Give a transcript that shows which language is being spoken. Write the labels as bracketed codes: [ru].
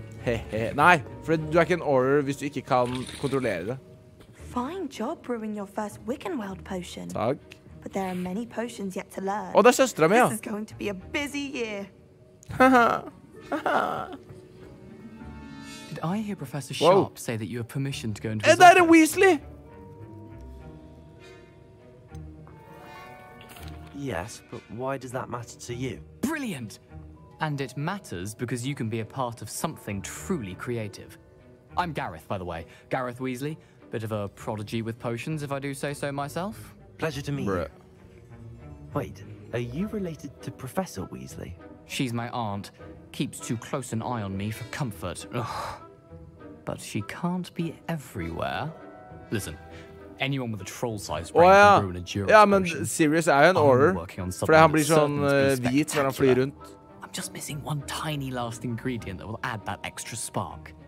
[no] Nei, for du er ikke en auror hvis du ikke kan kontrollere det. [en] Fine job brewing your first Wiggenweld potion. [no] Takk. [en] But there are many potions yet to learn. [no] Og det er søstra mi, ja. [en] This is going to be a busy year. Did I hear Professor Sharp say that you have permission to go into his office? [no] Er det Weasley? [en] Yes, but why does that matter to you? Brilliant! And it matters because you can be a part of something truly creative. I'm Gareth, by the way. Gareth Weasley. Bit of a prodigy with potions, if I do say so myself. Pleasure to meet you. Wait, are you related to Professor Weasley? She's my aunt. Keeps too close an eye on me for comfort. Ugh. But she can't be everywhere. Listen. Anyone with a troll-sized brain can ruin a jury. [no] Ja, men Sirius er jo en auror. For han blir sånn hvit når han flyr rundt. [en] I'm just missing one tiny last ingredient that will add that extra spark.